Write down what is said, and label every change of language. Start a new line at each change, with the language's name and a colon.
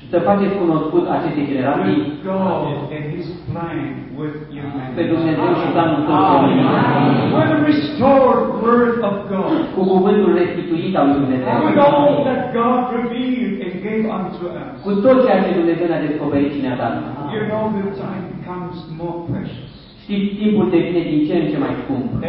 Romanian: să faceți cunoscut aceste generații,
English: with God and His plan with humanity,
Romanian: pe Dumnezeu și planul Său cu omenirea,
English: with the restored word of God,
Romanian: cu cuvântul restituit al lui Dumnezeu,
English: and with all that God revealed and gave unto us,
Romanian: cu tot ceea ce Dumnezeu ne-a descoperit și ne-a dat.
English: You know, the time becomes more precious.
Romanian: Știți, timpul devine din ce în ce mai scump.